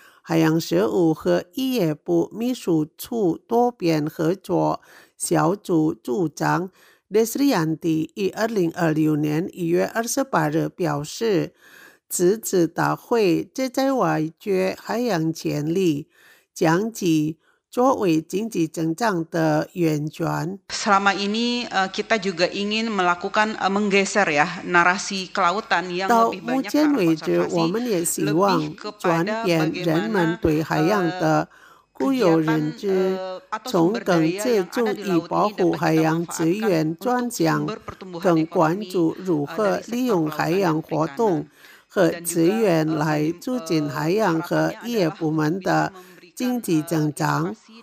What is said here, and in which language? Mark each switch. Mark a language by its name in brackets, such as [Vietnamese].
[Chinese] 海洋事务和渔业部秘书处多边合作小组组长 Desrianti 以2026年1月28日表示，此次大会旨在挖掘海洋潜力，将其作为经济增长的源泉。 [Indonesian] Selama ini kita juga ingin melakukan menggeser ya narasi kelautan yang lebih banyak. [Chinese] 到目前为止，我们也希望转变人们对海洋的固有认知，从更借助以保护海洋资源转向更关注如何利用海洋活动和资源来促进海洋和渔业部门的经济增长。